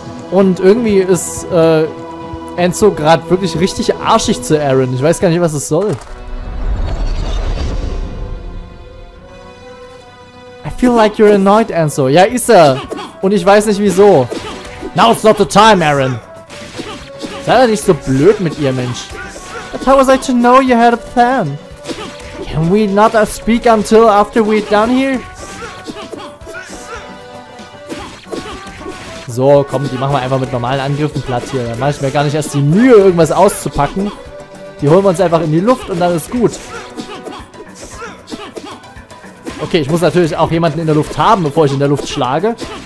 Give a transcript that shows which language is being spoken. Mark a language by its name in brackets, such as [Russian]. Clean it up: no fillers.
[German] Und irgendwie ist Enzo gerade wirklich richtig arschig zu Aaron. Ich weiß gar nicht, was es soll. [English] I feel like you're annoyed, Enzo. [German] Ja, ist er. Und ich weiß nicht, wieso. [English] Now's not the time, Aaron. [German] Sei doch nicht so blöd mit ihr, Mensch. [English] But how was I to know you had a plan? Can we not speak until after we're done here? [German] So, komm, die machen wir einfach mit normalen Angriffen platt hier. Dann mache ich mir gar nicht erst die Mühe, irgendwas auszupacken. Die holen wir uns einfach in die Luft und dann ist gut. Okay, ich muss natürlich auch jemanden in der Luft haben, bevor ich in der Luft schlage.